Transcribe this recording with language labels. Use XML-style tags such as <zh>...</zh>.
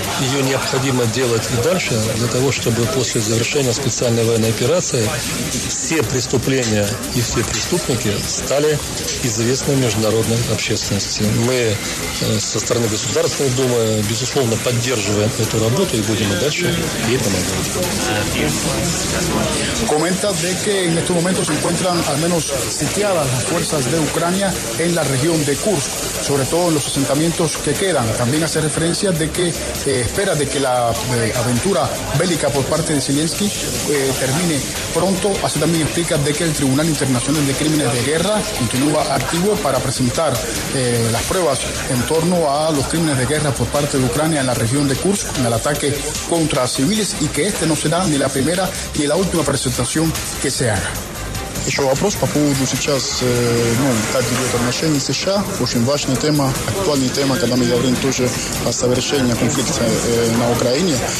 <ru>Ее необходимо делать и дальше, для того, чтобы после завершения специальной военной операции все преступления и все преступники стали известны международной общественности. Мы со стороны Государственной Думы, безусловно, поддерживаем эту работу и будем и дальше ей помогать.</ru> <es>Comenta de que en estos momentos se encuentran al menos sitiadas las fuerzas de Ucrania en la región de Kursk, sobre todo en los asentamientos que quedan. También hace referencia de que espera de que la aventura bélica por parte de Zelensky termine pronto. Así también explica de que el Tribunal Internacional de Crímenes de Guerra continúa activo para presentar las pruebas en torno a los crímenes de guerra por parte de Ucrania en la región de Kursk, en el ataque contra civiles, y que este no será ni la primera ni la última presentación que se haga.</es> <ru>Еще вопрос по поводу сейчас, как идет отношение США. Очень важная тема, актуальная тема, когда мы говорим тоже о совершении конфликта на Украине.</ru>